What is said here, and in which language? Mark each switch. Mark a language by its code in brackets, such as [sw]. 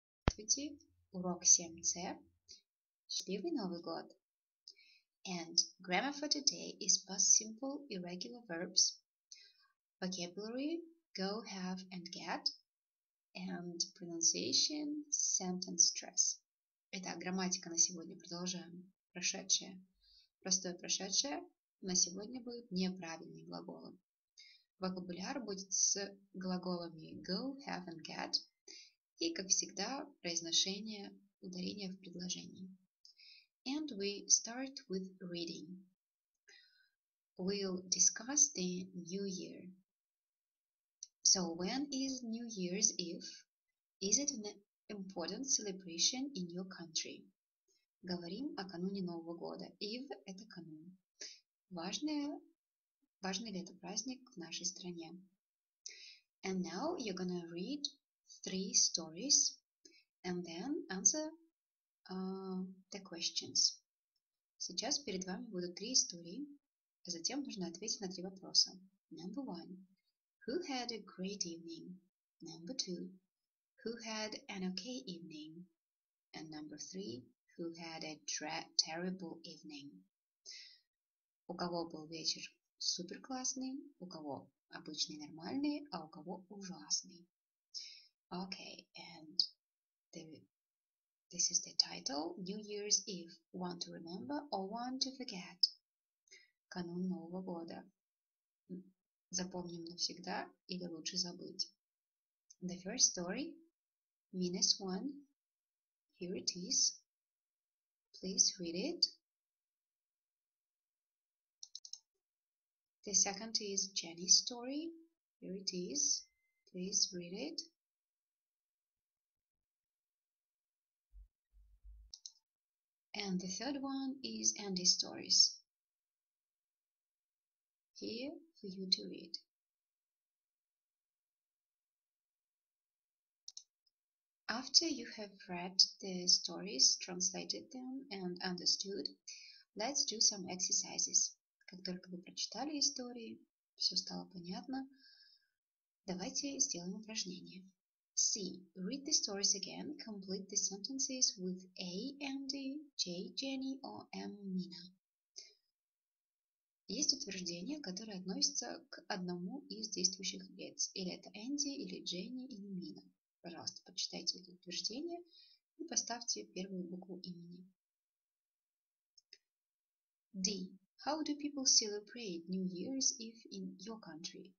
[ru] Здравствуйте, урок 7c, счастливый Новый год. [en] And grammar for today is past simple irregular verbs, vocabulary, go, have, and get, and pronunciation, sentence stress. [ru] Итак, грамматика на сегодня, продолжаем. Прошедшее. Простое прошедшее на сегодня будет неправильные глаголы. Вокабуляр будет с глаголами [en] go, have, and get. [ru] И, как всегда, произношение ударения в предложении. [en] And we start with reading. We'll discuss the New Year. So, when is New Year's Eve? Is it an important celebration in your country? [ru] Говорим о кануне Нового года. Eve – это канун. Важный ли это праздник в нашей стране? [en] And now you're gonna read three stories, and then answer the questions. [ru] Сейчас перед вами будут три истории, а затем нужно ответить на три вопроса. [en] Number one. Who had a great evening? Number two. Who had an okay evening? And number three. Who had a terrible evening? [ru] У кого был вечер суперклассный, у кого обычный нормальный, а у кого ужасный? [en] Okay, and this is the title, New Year's Eve, want to remember or want to forget. [ru] Канун Нового года. Запомним навсегда или лучше забыть. [en] The first story, minus one, here it is. Please read it. The second is Jenny's story, here it is. Please read it. And the third one is Andy's stories. Here for you to read. After you have read the stories, translated them and understood, let's do some exercises. [ru] Как только вы прочитали истории, все стало понятно, давайте сделаем упражнение. [en] C. Read the stories again. Complete the sentences with A, Andy, J, Jenny, or M, Mina. [ru] Есть утверждение, которое относится к одному из действующих лиц. Или это Andy, или Jenny, или Mina. Пожалуйста, почитайте это утверждение и поставьте первую букву имени. [en] D. How do people celebrate New Year's Eve in your country?